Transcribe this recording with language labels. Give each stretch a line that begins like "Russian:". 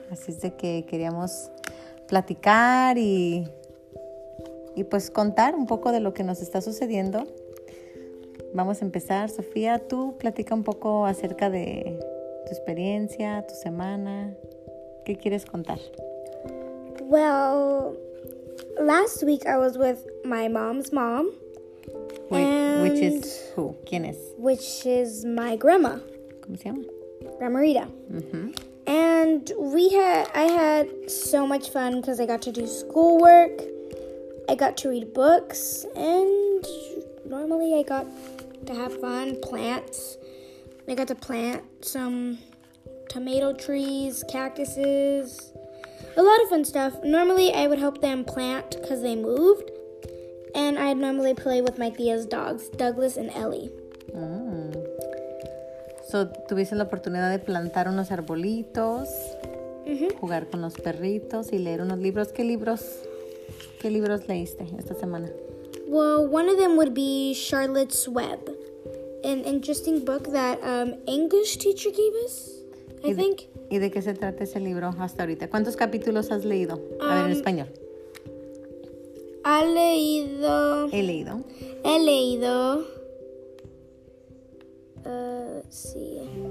Spanish: Así es de que queríamos platicar y pues contar un poco de lo que nos está sucediendo. Vamos a empezar. Sofía, tú platica un poco acerca de tu experiencia, tu semana. ¿Qué quieres contar?
English: Well, last week I was with my mom's mom. Which is who?
Spanish: ¿Quién es?
English: Which is my grandma.
Spanish: ¿Cómo se llama?
English: Grandma Rita. And I had so much fun because I got to do schoolwork. I got to read books. And normally I got to have fun, plants. I got to plant some tomato trees, cactuses. A lot of fun stuff. Normally, I would help them plant because they moved. And I'd normally play with my tía's dogs, Douglas and Ellie.
Spanish: So, tuviste la oportunidad de plantar unos arbolitos, jugar con los perritos y leer unos libros. ¿Qué libros leíste esta semana?
English: Well, one of them would be Charlotte's Web, an interesting book that English teacher gave us, I think.
Spanish: ¿Y de qué se trata ese libro hasta ahorita? ¿Cuántos capítulos has leído? A ver, en español. He leído.
English: Let's see.